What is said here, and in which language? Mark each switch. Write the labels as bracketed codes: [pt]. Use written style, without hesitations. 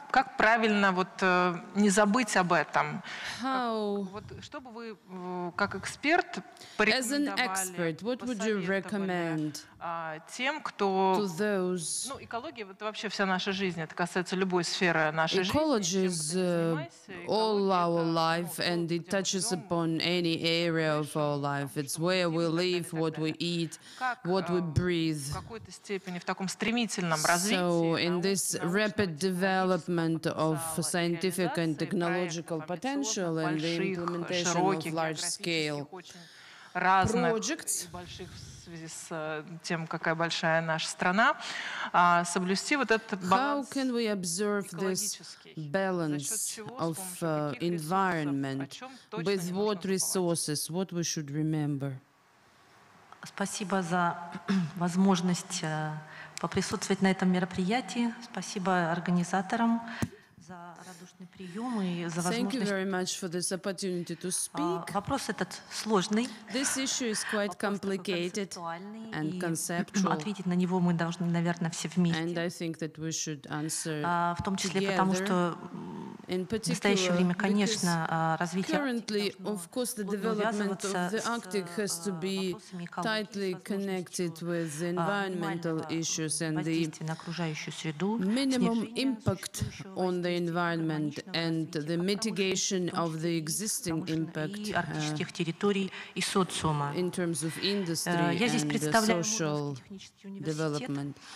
[ru] как правильно вот не забыть об этом? [en] How, [ru] как, вот, что бы вы как эксперт порекомендовали, [en] as an expert, what would you recommend [ru] тем, кто... [en] Those, [ru] ну, экология — это вообще вся наша жизнь, это касается любой сферы нашей жизни. [en] Ecology is all our life, and it touches upon any area of our life. It's where we live, what we eat, what we breathe. [ru] В какой-то степени, в таком стремительном развитии... [en] So, in this rapid development of scientific and technological potential and the implementation of large-scale projects... [ru] в связи с тем, какая большая наша страна, соблюсти вот этот баланс. [en] How can we observe this balance of environment with what resources, what we should remember? [ru] Спасибо за возможность поприсутствовать на этом мероприятии. Спасибо организаторам за радушный прием и за возможность. [en] Thank you very much for this opportunity to speak. [ru] Вопрос этот сложный. [en] This issue is quite complicated and conceptual. [ru] Ответить на него мы должны, наверное, все вместе. [en] And I think that we should answer [ru] в том числе потому, что в настоящее время, конечно, развитие [en] Arctic of course the development of the Arctic has to be tightly connected with the environmental issues and the minimum impact on the environment and the mitigation of the existing impact [ru] арктических территорий и социума. [en] In terms of industry and the social development.